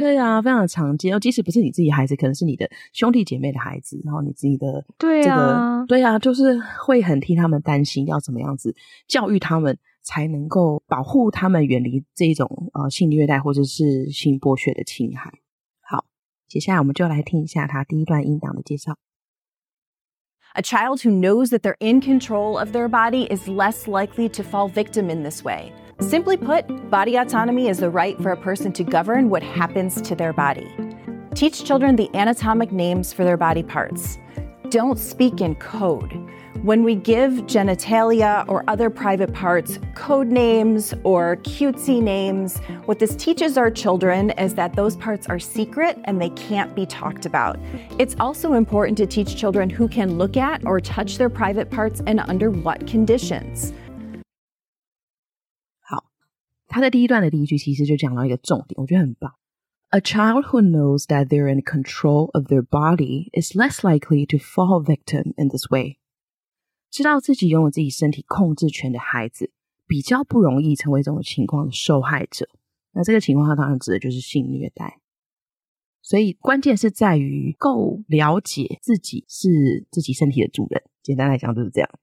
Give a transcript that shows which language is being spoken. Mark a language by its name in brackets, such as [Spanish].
[Chinese] 对啊，非常的常见，即使不是你自己孩子，可能是你的兄弟姐妹的孩子，然后你自己的这个，对啊，对啊，就是会很替他们担心，要怎么样子教育他们才能够保护他们远离这种性虐待或者是性剥削的侵害。好，接下来我们就来听一下他第一段音档的介绍。 [English] A child who knows that they're in control of their body is less likely to fall victim in this way. Simply put, body autonomy is the right for a person to govern what happens to their body. Teach children the anatomic names for their body parts. Don't speak in code. When we give genitalia or other private parts code names or cutesy names, what this teaches our children is that those parts are secret and they can't be talked about. It's also important to teach children who can look at or touch their private parts and under what conditions. [Chinese] 好，他在第一段的第一句其实就讲到一个重点，我觉得很棒。 A child who knows that they're in control of their body is less likely to fall victim in this way. 知道自己拥有自己身体控制权的孩子比较不容易成为这种情况的受害者。那这个情况它当然指的就是性虐待。所以关键是在于够了解自己是自己身体的主人。简单来讲就是这样。